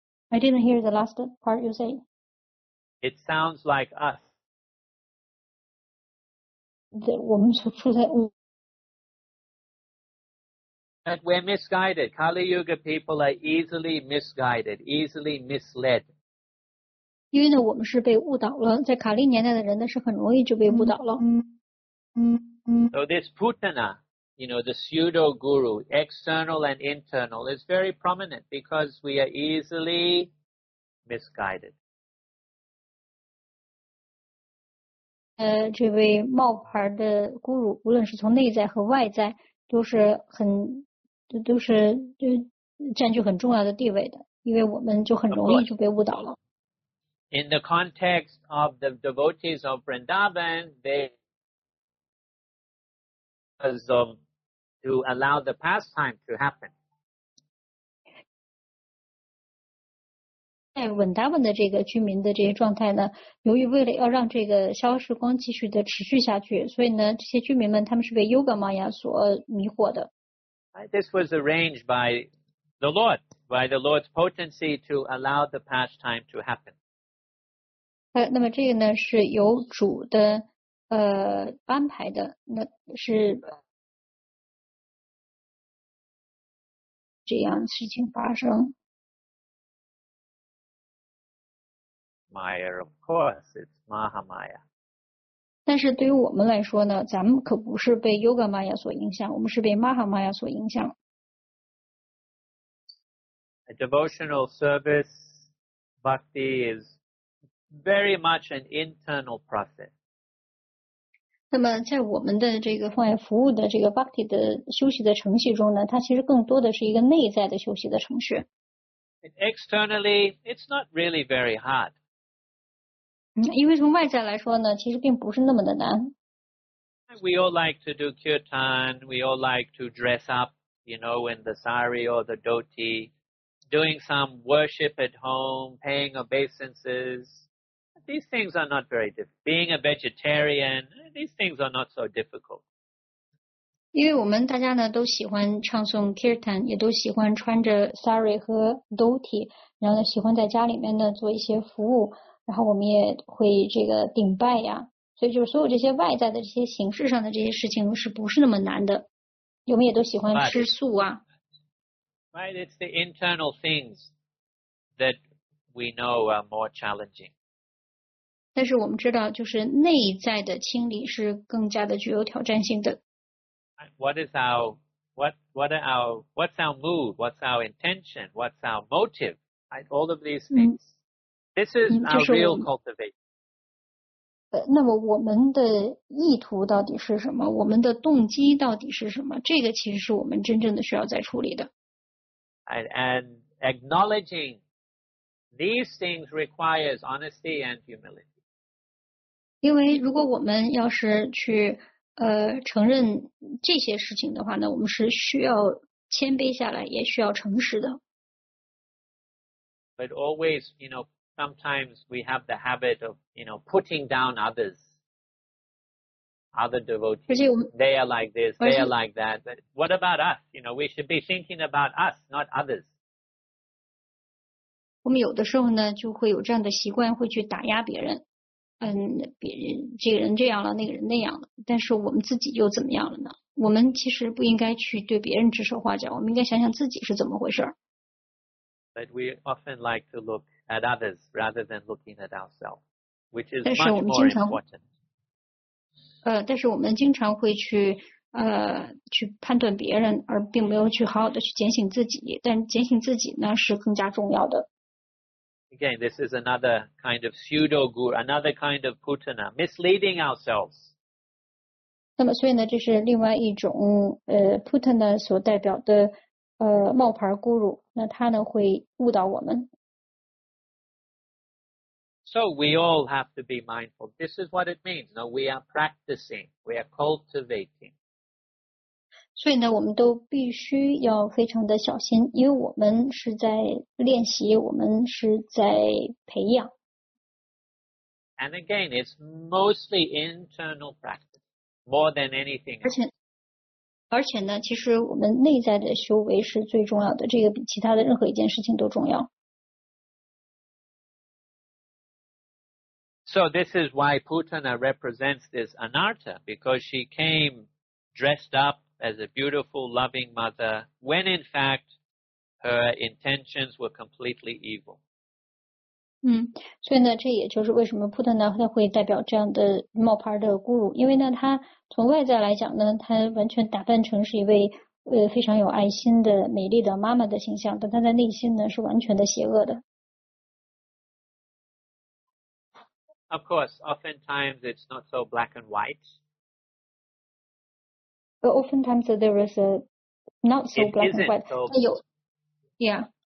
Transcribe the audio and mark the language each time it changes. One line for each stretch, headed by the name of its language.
English: I didn't hear the last part you say. It sounds like us.
Chinese: 我们所处在
English: But we're misguided. Kali Yuga people are easily misguided, easily misled.
Chinese: 因为呢我们是被误导了，在卡利年代的人呢是很容易就被误导了。
English: So this Putana, you know, the pseudo-guru, external and internal, is very prominent because we are easily misguided.
Chinese: 这位冒牌的 guru, 无论是从内在和外在都是很都是就占据很重要的地位的，因为我们就很容易就被误导了。
English: In the context of the devotees of Vrindavan, they to allow the pastime to happen.
Chinese: 在文达文的这个居民的这些状态呢，由于为了要让这个消失光继续的持续下去，所以呢，这些居民们他们是被 Yoga Maya 所迷惑的。
English: This was arranged by the Lord, by the Lord's potency to allow the pastime to happen.
Chinese: 那么这个呢是由主的安排的，那是这样事情发生。
English: Maya, of course, it's Mahamaya.
Chinese: 但是对于我们来说呢，咱们可不是被 Yoga Maya 所影响，我们是被 Mahamaya 所影响。
English: A devotional service, bhakti is. Very much an internal process.
Chinese: 那么在我们的这个奉献服务的这个 Bhakti 的休息的程序中呢，它其实更多的是一个内在的休息的程序。
English: Externally, it's not really very hard.
Chinese: 因为从外在来说呢，其实并不是那么的难。
English: We all like to do kirtan, we all like to dress up, you know, in the sari or the dhoti, doing some worship at home, paying obeisances. These things are not very difficult. Being a vegetarian, these things are not so difficult.
Chinese: 因为我们大家呢都喜欢唱诵 kirtan, 也都喜欢穿着 sari 和 dhoti, 然后呢喜欢在家里面呢做一些服务，然后我们也会这个顶拜呀，所以就是所有这些外在的这些形式上的这些事情是不是那么难的，我们也都喜欢吃素啊。
English: Right, it's the internal things that we know are more challenging.
Chinese: 但是我们知道就是内在的清理是更加的具有挑战性的。
English: What's our mood? What's our intention? What's our motive? All of these things. This is our real cultivation.
Chinese: 那么我们的意图到底是什么？我们的动机到底是什么？这个其实是我们真正的需要在处理的。
English: And acknowledging these things requires honesty and humility.
Chinese: 因为如果我们要是去承认这些事情的话呢，我们是需要谦卑下来，也需要诚实的。
English: But always, you know, sometimes we have the habit of, you know, putting down others, other devotees.
Chinese: 而且我们
English: they are like this, they are like that. But what about us? You know, we should be thinking about us, not others.
Chinese: 我们有的时候呢，就会有这样的习惯，会去打压别人。别人这个人这样了，那个人那样了，但是我们自己又怎么样了呢？我们其实不应该去对别人指手画脚，我们应该想想自己是怎么回事。
English: But we often like to look at others rather than looking at ourselves, which is much more important.
Chinese: 但是我们经常会去判断别人，而并没有去好好的去警醒自己。但警醒自己呢，是更加重要的。
English: Again, this is another kind of pseudo-guru, another kind of putana, misleading ourselves.
Chinese: 那么所以呢，这是另外一种putana 所代表的冒牌 guru, 那他呢会误导我们。
English: So we all have to be mindful. This is what it means. Now we are practicing, we are cultivating.
Chinese: 所以呢我们都必须要非常的小心，因为我们是在练习，我们是在培养。
English: And again, it's mostly internal practice. more than anything.
Chinese: 而且呢，其实我们内在的修为是最重要的，这个比其他的任何一件事情都重要。
English: So this is why Putana represents this Anarta, because she came dressed up as a beautiful, loving mother, when in fact her intentions were completely evil.
Chinese: 所以呢，这也就是为什么 Putana 她会代表这样的冒牌的孤乳，因为呢，她从外在来讲呢，她完全打扮成是一位非常有爱心的美丽的妈妈的形象，但她在内心呢是完全的邪恶的。
English: Of course, oftentimes it's not so black and white. Oftentimes there is not so black and white.